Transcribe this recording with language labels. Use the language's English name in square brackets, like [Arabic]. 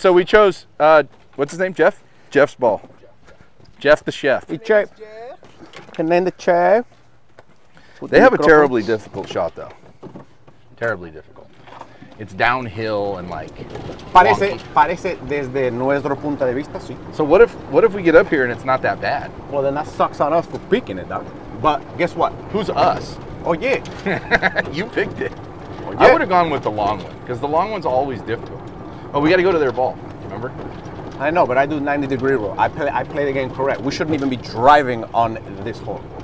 [English] So we chose, what's his name? Jeff? Jeff's ball. Jeff the chef. Jeff. And then the chair. They have a terribly difficult shot, though. Terribly difficult. It's downhill and like. [Spanish] Parece desde nuestro punto de vista, sí. [English] So what if we get up here and it's not that bad? Well, then that sucks on us for picking it, dog. But guess what? Who's us? Oh yeah. You picked it. Oh I would have gone with the long one, because the long one's always difficult. But we got to go to their ball, remember? I know, but I do 90-degree roll. I play the game correct. We shouldn't even be driving on this hole.